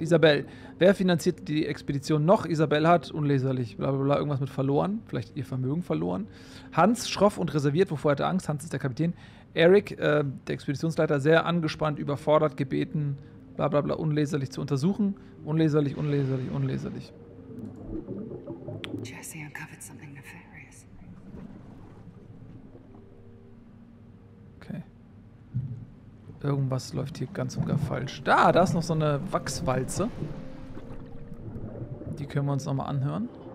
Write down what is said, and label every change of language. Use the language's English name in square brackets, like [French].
[German] Isabel, wer finanziert die Expedition noch? Isabel hat, unleserlich, blablabla, irgendwas mit verloren, vielleicht ihr Vermögen verloren. Hans, schroff und reserviert, wovor hat er Angst? Hans ist der Kapitän. Eric, der Expeditionsleiter, sehr angespannt, überfordert, gebeten, blablabla, unleserlich zu untersuchen. Unleserlich, unleserlich, unleserlich. [English] Jesse uncovered something nefarious. [German] Irgendwas läuft hier ganz und gar falsch. Da ist noch so eine Wachswalze. Die können wir uns nochmal anhören.